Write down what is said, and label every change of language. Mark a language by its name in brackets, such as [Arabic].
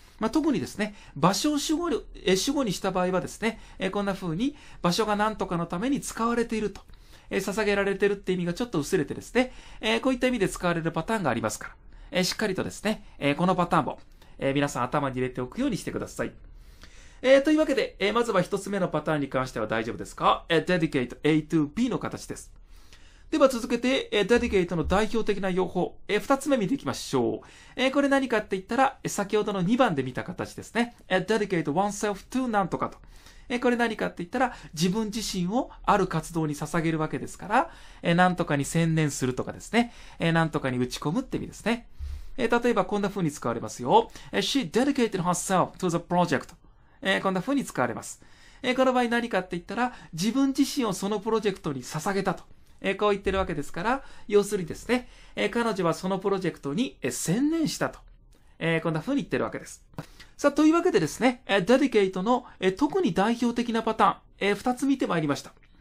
[Japanese] まあ、特にですね、場所を主語にした場合はですね、こんな風に場所が何とかのために使われていると、捧げられてるって意味がちょっと薄れてですね、こういった意味で使われるパターンがありますから、しっかりとですね、このパターンも、皆さん頭に入れておくようにしてください。というわけで、まずは一つ目のパターンに関しては大丈夫ですか？ [English] Dedicate A to B [Japanese] の形です。では続けて、dedicate の代表的な用法、二つ目見ていきましょう。これ何かって言ったら、先ほどの2番で見た形ですね。 [English] dedicate oneself to [Japanese] なんとかと。これ何かって言ったら、自分自身をある活動に捧げるわけですから、なんとかに専念するとかですね。なんとかに打ち込むって意味ですね。例えばこんな風に使われますよ。 [English] she dedicated herself to the project。 [Japanese] こんな風に使われます。この場合何かって言ったら、自分自身をそのプロジェクトに捧げたと。こう言ってるわけですから、要するにですね、彼女はそのプロジェクトに専念したと。こんな風に言ってるわけです。さあ、というわけでですね、dedicate の特に代表的なパターン、2つ見てまいりました。